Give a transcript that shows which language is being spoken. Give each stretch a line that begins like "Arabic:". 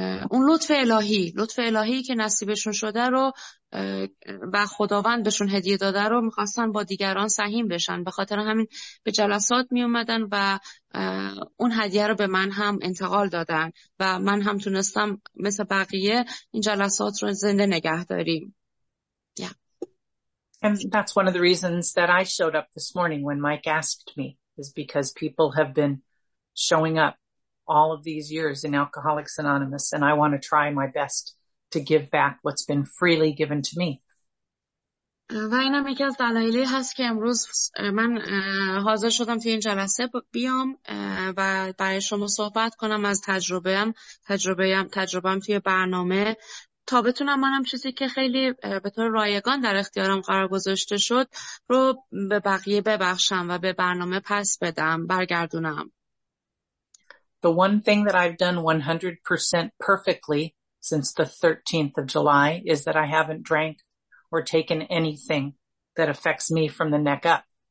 Persian: اون لطف الهی که نصیبشون شده رو و خداوند بهشون هدیه داده رو میخواستن با دیگران سهیم بشن به خاطر همین به جلسات می اومدن و اون هدیه رو به من هم انتقال دادن و من هم تونستم مثل بقیه این جلسات رو زنده نگه داریم
English: And that's one of the reasons that I showed up this morning when Mike asked me, is because people have been showing up all of these years in Alcoholics Anonymous, and I want to try my best to give back what's been freely given to me.
Persian: و اینم یکی از دلایلی هست که امروز من حاضر شدم توی این جلسه بیام و برای شما صحبت کنم از تجربه‌ام توی برنامه تا بتونم منم چیزی که خیلی به طور رایگان در اختیارم قرار گذاشته شد رو به بقیه ببخشم و به برنامه پس بدم برگردونم.
English: The one thing that I've done 100% perfectly since the 13th of July is that I haven't drank or taken anything that affects me from the neck up.